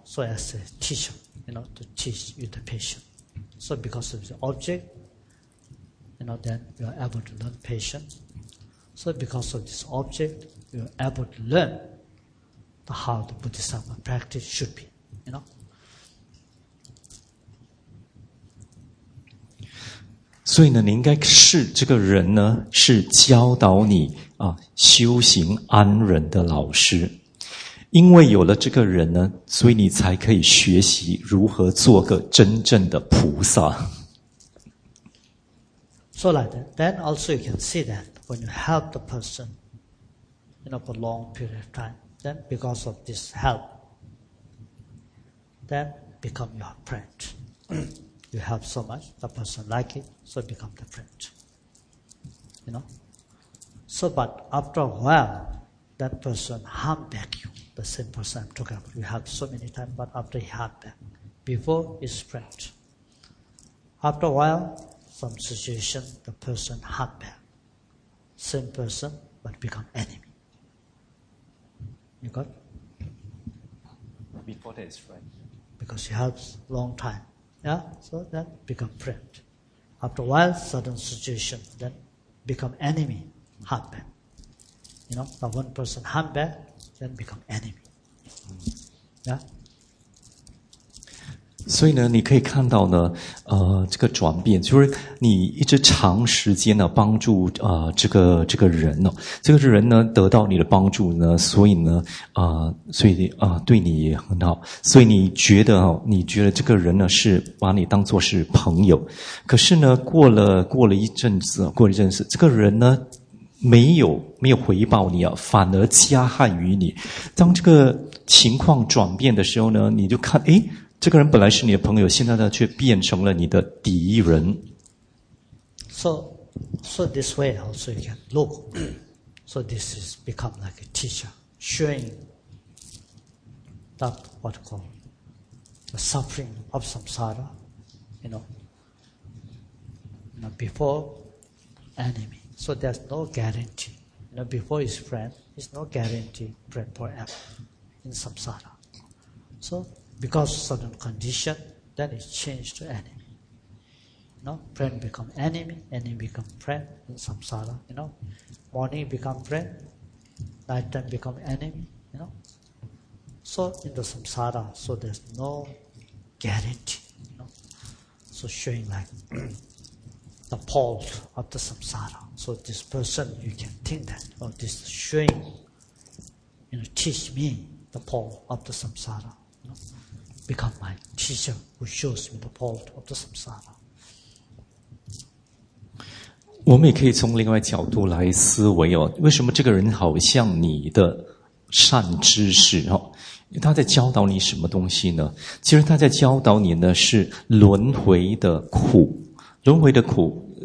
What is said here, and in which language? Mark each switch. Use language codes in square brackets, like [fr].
[en] So as a teacher, you know, to teach you the patient. So because of the object, you know, then you are able to learn patient. So because of this object, you are able to learn the how the Bodhisattva practice should be, you know. [zh] 所以呢，你应该是这个人呢，是教导你啊修行安忍的老师。因为有了这个人呢，所以你才可以学习如何做个真正的菩萨。 [en] So like that, then also you can see that when you help the person, you know, for a long period of time, then because of this help, then become your friend. You help so much, the person like it. So become the friend, you know. So, but after a while, that person harm back you. The same person I'm talking about, you help so many times, but after he harm back, before is friend. After a while, some situation, the person harm back. Same person, but become enemy. You got? Before that is friend. Because he helps long time, yeah. So then become friend. After a while, sudden situation, then become enemy, harm back. You know, the one person harm back, then become enemy. Yeah? [zh] 所以呢，你可以看到呢，这个转变，就是你一直长时间呢帮助这个人呢，这个人呢得到你的帮助呢，所以呢，所以对你也很好，所以你觉得哦，你觉得这个人呢是把你当作是朋友，可是呢，过了一阵子，这个人呢没有回报你啊，反而加害于你。当这个情况转变的时候呢，你就看，诶，这个人本来是你的朋友，现在呢却变成了你的敌人。 [en] So this way also you can look. So this is become like a teacher showing that what called the suffering of samsara, you know, before enemy. So there's no guarantee. You know, before his friend, there's no guarantee friend forever in samsara. So. Because of certain condition, then it changed to enemy. You know, friend become enemy, enemy become friend in samsara. You know, morning become friend, night time become enemy. You know, so in the samsara, so there's no guarantee. You know, so showing like the poles of the samsara. So this person, you can think that, or this showing, you know, teach me the pole of the samsara. You know. Become my teacher who shows me the path of the samsara. [zh] 我们也可以从另外角度来思维哦，为什么这个人好像你的善知识哦？他在教导你什么东西呢？其实他在教导你呢是轮回的苦，轮回的苦